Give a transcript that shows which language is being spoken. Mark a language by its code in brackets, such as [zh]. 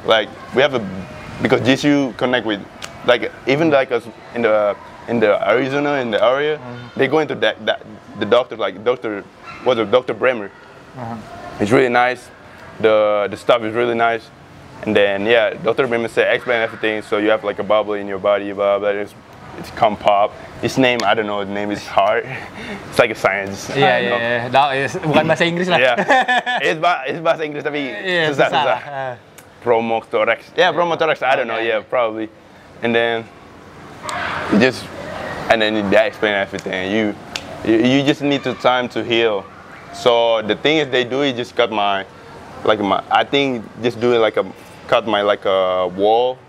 [en] Like, we have a, because GCU connect with, like, even like us in the Arizona, in the area, they go into that the doctor, like, doctor, what's it, Dr. Bremer. Uh-huh. It's really nice. The stuff is really nice. And then, yeah, Dr. Bremer said, explain everything. So you have like a bubble in your body, blah, blah, blah. It's come pop. His name, I don't know, the name is hard. It's like a science. [id] Bukan bahasa Inggris lah. [en] Yeah. It's [id] bahasa Inggris tapi susah. [en] Promotorax. Yeah, promotorax. I don't know. Yeah, probably. And then you just, and then they explain everything. You just need the time to heal. So the thing is, they do is just cut my, like my, I think just do it like a, cut my like a wall.